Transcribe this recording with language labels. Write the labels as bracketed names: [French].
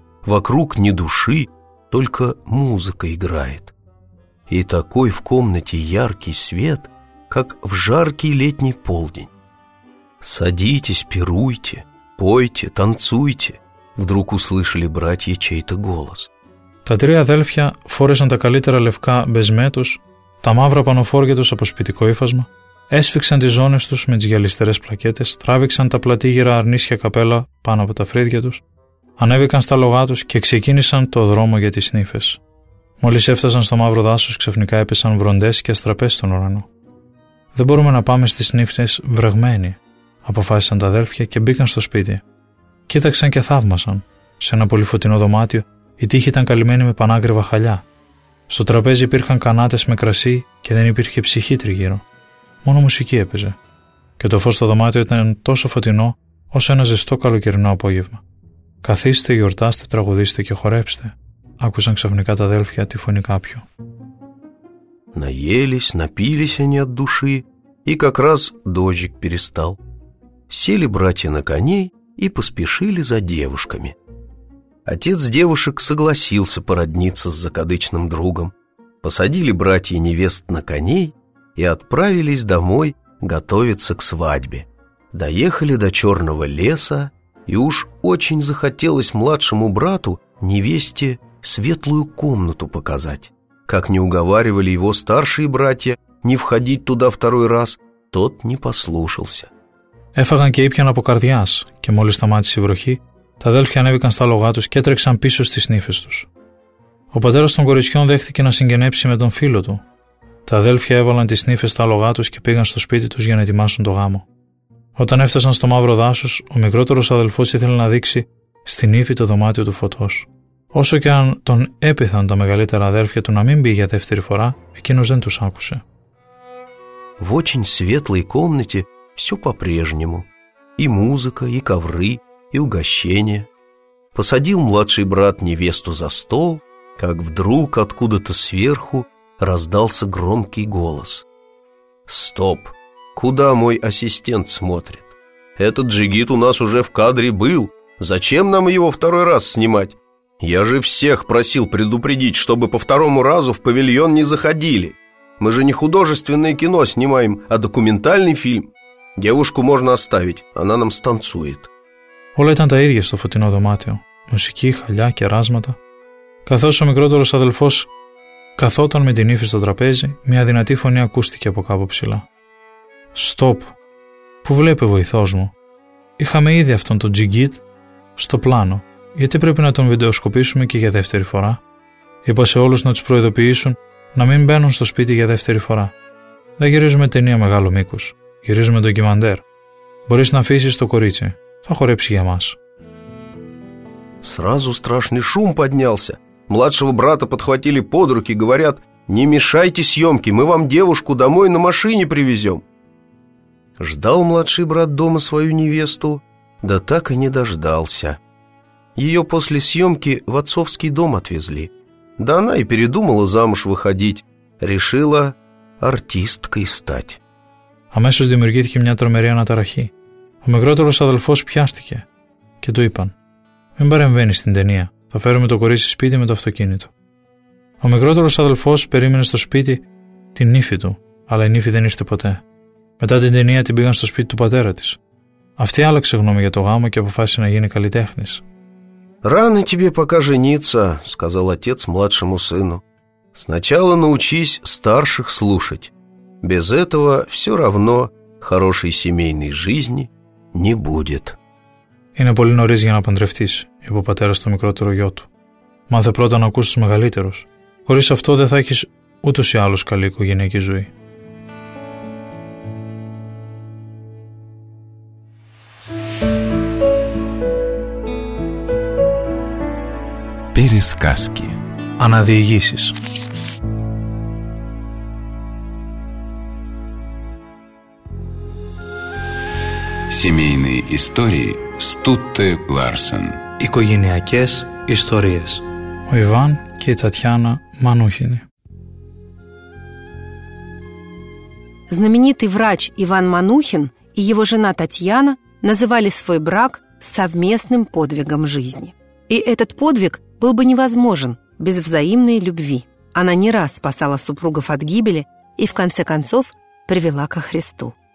[Russian] Вокруг ни души, только музыка играет. И такой в комнате яркий свет, как в жаркий летний полдень. «Садитесь, пируйте, пойте, танцуйте», — вдруг услышали братья чей-то голос. [Greek] Τα [Russian] три [Greek] αδέλφια φόρεσαν τα καλύτερα λευκά μπεσμέτους, τα μαύρα πανοφόρια τους από σπιτικό ύφασμα, έσφιξαν τις ζώνες τους με τις γυαλιστερές πλακέτες, τράβηξαν τα πλατήγυρα αρνίσια καπέλα πάνω από τα φρύδια τους, ανέβηκαν στα λογά τους και ξεκίνησαν το δρόμο για τις νύφες. Μόλις έφτασαν στο μαύρο δάσος, ξαφνικά έπεσαν βροντές και αστραπές στον ουρανό. «Δεν μπορούμε να πάμε στις νύφες βρεγμένοι», αποφάσισαν τα αδέλφια και μπήκαν στο σπίτι. Κοίταξαν και θαύμασαν. Σε ένα πολύ φωτεινό δωμάτιο, η τύχη ήταν καλυμμένη με πανάκριβα χαλιά. Στο τραπέζι υπήρχαν κανάτες με κρασί και δεν υπήρχε ψυχή τριγύρω. Μόνο μουσική έπαιζε. Και το φως στο δωμάτιο ήταν τόσο φωτεινό όσο ένα ζεστό καλοκαιρινό απόγευμα. «Καθίστε, γιορτάστε, τραγουδίστε και χορέψτε», άκουσαν ξαφνικά τα αδέλφια τη φωνή κάποιου. [Russian] Наелись, напились они от души, и как раз дождик перестал. Сели братья на коней и поспешили за девушками. Отец девушек согласился породниться с закадычным другом. Посадили братья невест на коней и отправились домой готовиться к свадьбе. Доехали до черного леса, и уж очень захотелось младшему брату невесте светлую комнату показать. Как не уговаривали его старшие братья не входить туда второй раз, тот не послушался. [Greek] Έφαγαν και ήπιαν από καρδιάς, και μόλις σταμάτησε η βροχή, τα αδέλφια ανέβηκαν στα λογά τους και έτρεξαν πίσω στις νύφες τους. Ο πατέρας των κοριτσιών δέχτηκε να συγγενέψει με τον φίλο του. Τα αδέλφια έβαλαν τις νύφες στα λογά τους και πήγαν στο σπίτι τους για να ετοιμάσουν το γάμο. Όταν έφτασαν στο μαύρο δάσος, ο μικρότερος αδελφός ήθελε να δείξει στην νύφη το δωμάτιο του φωτός. Όσο και αν τον έπειθαν τα μεγαλύτερα αδέρφια του να μην μπει για δεύτερη φορά, εκείνος δεν τους άκουσε. [Russian] В очень светлой комнате все по-прежнему. И музыка, и ковры, и угощения. Посадил младший брат невесту за стол, как вдруг откуда-то сверху раздался громкий голос. Стоп! Куда мой ассистент смотрит? Этот джигит у нас уже в кадре был. Зачем нам его второй раз снимать? Я же всех просил предупредить, чтобы по второму разу в павильон не заходили. Мы же не художественное кино снимаем, а документальный фильм. Девушку можно оставить, она нам станцует. [Greek] Όλα ήταν τα ίδια στο φωτεινό δωμάτιο. Μουσική, χαλιά, κεράσματα. Καθώς ο μικρότερος αδελφός καθόταν με την ύφη στο τραπέζι, μια δυνατή φωνή ακούστηκε από κάπου ψηλά. Στοπ! Πού βλέπει ο βοηθός μου? Είχαμε ήδη αυτόν τον τζιγκίτ στο πλάνο. Γιατί πρέπει να τον βιντεοσκοπήσουμε και για δεύτερη φορά? Είπα σε όλους να τους προειδοποιήσουν να μην μπαίνουν στο σπίτι για δεύτερη φορά. Δεν γυρίζουμε ταινία μεγάλο μήκος. Γυρίζουμε ντοκιμαντέρ. Μπορείς να αφήσεις το κορίτσι. Θα χορέψει για μας. [Russian] Сразу страшный шум поднялся. Младшего брата подхватили под руки, говорят: «Не мешайте съемки, мы вам девушку домой на машине привезем». Ждал младший брат дома свою невесту, да так и не дождался. Ее после съемки в отцовский дом отвезли. Да она и передумала замуж выходить. Решила артисткой стать. [Greek] Αμέσως δημιουργήθηκε μια τρομερή αναταραχή. Ο μικρότερος αδελφός πιάστηκε και του είπαν: «Μην παρεμβαίνεις στην ταινία. Θα φέρουμε το κορίτσι σπίτι με το αυτοκίνητο». Ο μικρότερος αδελφός περίμενε στο σπίτι την νύφη του, αλλά η νύφη δεν ήρθε ποτέ. Μετά την ταινία την πήγαν στο σπίτι του πατέρα της. Αυτή άλλαξε γνώμη για το γάμο και αποφάσισε να γίνει καλλιτέχνης. [Russian] «Рано тебе пока жениться», — сказал отец младшему сыну. «Сначала научись старших слушать. Без этого все равно хорошей семейной жизни не будет». [Greek] «Είναι πολύ νωρίς για να παντρευτείς», — είπε ο πατέρας στο μικρότερο γιο του. «Μάθε πρώτα να ακούς τους μεγαλύτερους. Χωρίς αυτό δεν θα έχεις ούτως ή άλλως καλή οικογενειακή ζωή». [Russian] Пересказки. [Greek] Анадиегисис. [Russian] Семейные истории Стутте Ларсен. [Greek] Οικογενειακές ιστορίες. Ο Ιβάν και η Τατιάνα Μανούχινη. [Russian] Знаменитый врач Иван Манухин и его жена Татьяна называли свой брак совместным подвигом жизни. И этот подвиг был бы невозможен без взаимной любви. Она не раз спасала супругов от гибели и, в конце концов, привела ко Христу.